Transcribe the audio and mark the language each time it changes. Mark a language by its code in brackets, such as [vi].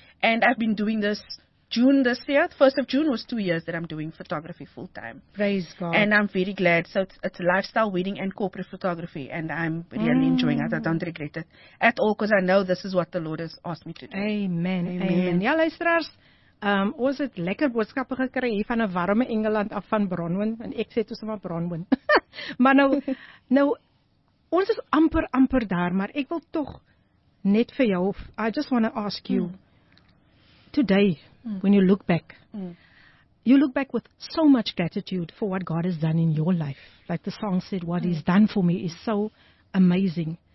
[en] And I've been doing this June this year. The 1st of June was 2 years that I'm doing photography full time. Praise God. And I'm very glad. So it's lifestyle, wedding and corporate photography. And I'm really enjoying it. I don't regret it at all, because I know this is what the Lord has asked me to do. [af] Amen. Ja, luisteraars, Ons het lekker boodskappe gekry hier van 'n warme Engeland af van Bronwyn, en ek sê toe sommer Bronwyn. Maar nou ons is amper daar, maar ek wil tog net vir jou, [en] I just want to ask you, today, when you look back, you look back with so much gratitude for what God has done in your life. Like the song said, what he's done for me is so amazing.